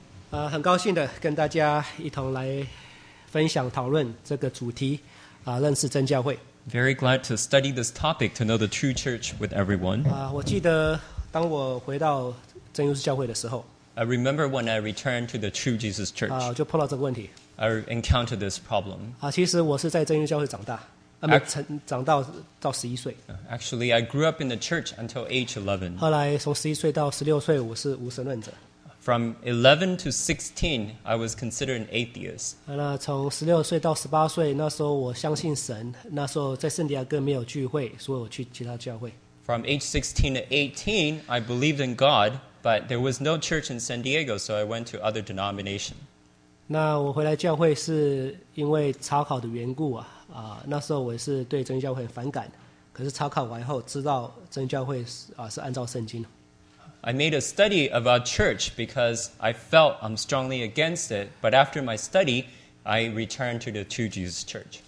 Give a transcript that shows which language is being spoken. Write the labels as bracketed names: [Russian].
[Chinese] 很高兴的跟大家一同来分享讨论这个主题，认识真教会。 [English] Very glad to study this topic to know the true church with everyone. [Chinese] 我记得当我回到真耶稣教会的时候 [English] ，I remember when I returned to the True Jesus Church. [Chinese] 就碰到这个问题。 [English] I encountered this problem. [Chinese] 其实我是在真耶稣教会长大。长到十一岁。 [English] Actually, I grew up in the church until age 11. [Chinese] 后来从十一岁到十六岁，我是无神论者。 [English] From 11 to 16, I was considered an atheist. [Chinese] 那从十六岁到十八岁，那时候我相信神。那时候在圣地亚哥没有聚会，所以我去其他教会。 [English] From age 16 to 18, I believed in God, but there was no church in San Diego, so I went to other denominations. [Chinese] 那我回来教会是因为查考的缘故啊。那时候我是对真教会很反感，可是查考完后知道真教会是按照圣经。 [English] I made a study of our church because I felt I'm strongly against it, but after my study, I returned to the True Jesus Church.